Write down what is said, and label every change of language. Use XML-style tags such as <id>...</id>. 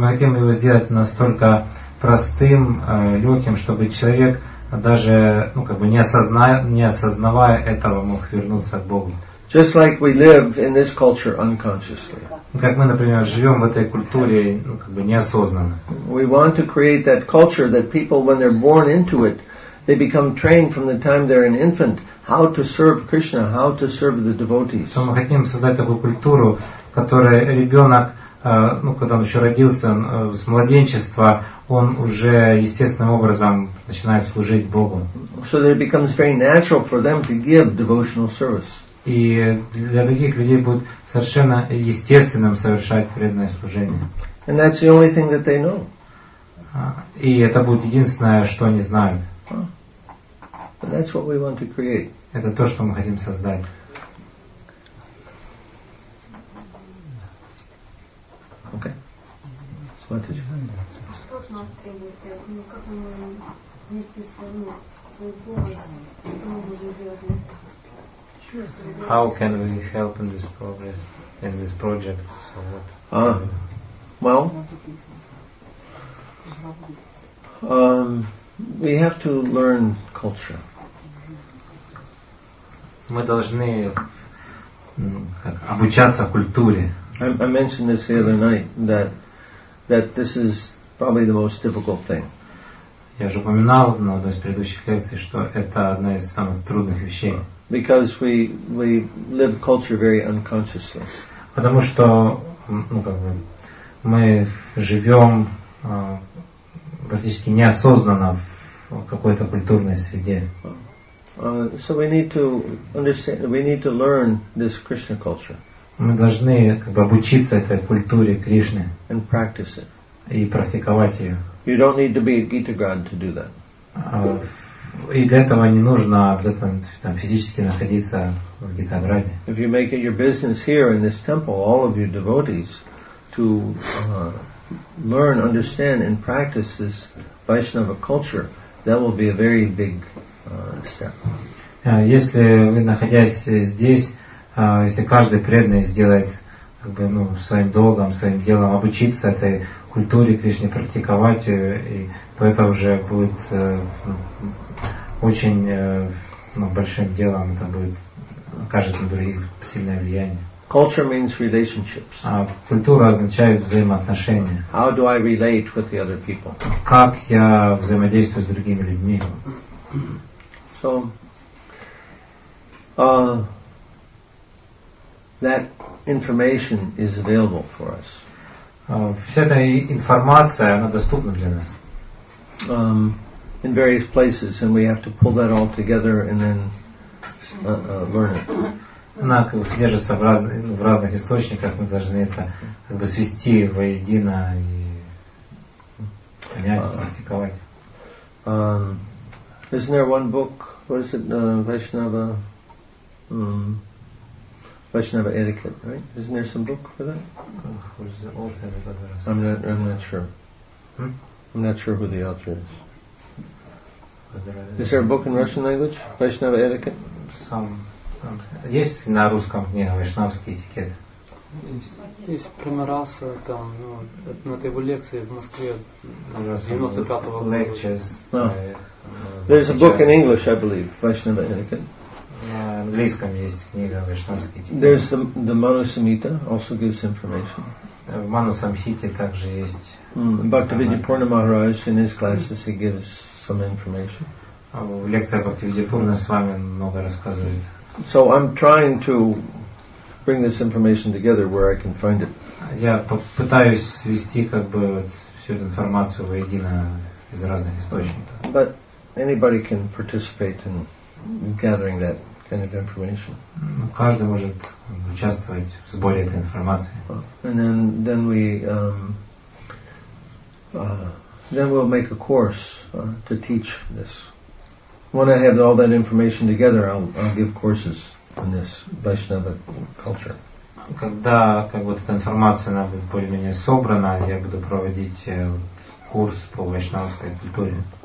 <ru>Мы хотим его сделать настолько простым, легким, чтобы человек даже, ну, как бы не осознавая этого, мог вернуться к Богу.</ru> <en>Just like we live in this culture unconsciously.</en> <ru>Как мы, например, живем в этой культуре, ну, как бы неосознанно.</ru> <en>We want to create that culture that people, when they're born into it, they become trained from the time they're an infant how to serve Krishna, how to serve the devotees.</en> <ru>Мы хотим создать такую культуру, которая ребенок, ну, когда он еще родился, с младенчества, он уже естественным образом начинает служить Богу.</ru> <en>So that it becomes very natural for them to give devotional service.</en> <ru>И для таких людей будет совершенно естественным совершать преданное служение.</ru> <en>And that's the only thing that they know.</en> <ru>И это будет единственное, что они знают.</ru> <en>But that's what we want to create.</en> <ru>Это то, что мы хотим создать. Okay. Смотрите. Что от нас требуется? Как мы вместе с вами что мы будем делать?</ru> <en>How can we help in this progress, in this project? So what? We have to learn culture.</en> <ru>Мы должны обучаться культуре.</ru> <en>I mentioned this the other night that this is probably the most difficult thing.</en> <ru>Я же упоминал на одной из предыдущих лекций, что это одна из самых трудных вещей.</ru> <en>Because we live culture very unconsciously.</en> <ru>Потому что, ну, как бы, мы живем практически неосознанно в какой-то культурной среде.</ru> <en>So we need to understand, we need to learn this Krishna culture.</en> <ru>Мы должны, как бы, обучиться этой культуре Кришны.</ru> <en>And practice it.</en> <ru>И практиковать ее.</ru> <en>You don't need to be a Gitagran to do that.</en> <ru>И для этого не нужно обязательно там физически находиться в Гитаграде.</ru> <en>If you make it your business here in this temple, all of your devotees to learn, understand, and practice this Vaishnava culture, that will be a very big step.</en> <ru>Если вы находясь здесь, если каждый преданный сделает, как бы, ну, своим долгом, своим делом обучиться этой культуре Кришны, практиковать ее, и то это уже будет очень большим делом, это будет, окажет на других сильное влияние.</ru> <en>Culture means relationships.</en> <ru>А культура означает взаимоотношения.</ru> <en>How do I relate with the other people?</en> <ru>Как я взаимодействую с другими людьми?</ru> <en>So, that information is available for us.</en> <ru>Вся эта информация, она доступна для нас.</ru> <en>In various places, and we have to pull that all together and then learn it.</en> <ru>Она как бы содержится в разных источниках, мы должны это как бы свести воедино и понять, практиковать.</ru> <en>Isn't there one book? What is it? Vaishnava. Vaishnava etiquette, right? Isn't there some book for that? Who's the author of that? I'm not sure. Hmm? I'm not sure who the author is. Is there a book in Russian language? Vaishnava etiquette? Some.</en> <ru>Есть на русском книга «Вайшнавский этикет»? Есть примерасы, там, ну, на этой его лекции в Москве, там, 95-го года.</ru> <en>Lectures. Oh. There's a book in English, I believe, «Вайшнава этикет».</en> <ru>На английском есть книга «Вайшнавский этикет».</ru> <en>There's the Манусамхита, also gives information.</en> <ru>В Манусамхите также есть.</ru> <en>Бхактивиди Пурна Махарадж, in his classes, he gives some information.</en> <ru>В лекциях Бхактивиди Пурна с вами много рассказывает.</ru> <en>So I'm trying to bring this information together where I can find it.</en> <ru>Я пытаюсь свести как бы всю эту информацию воедино из разных источников.</ru> <en>But anybody can participate in gathering that kind of information.</en> <ru>Каждый может участвовать в сборе этой информации.</ru> <en>And then we'll make a course to teach this. When I have all that information together, I'll give courses on this Vaishnava culture.</en> <ru>Когда как вот эта информация на будет более-менее собрана, я буду проводить курс по вайшнавской культуре.</ru>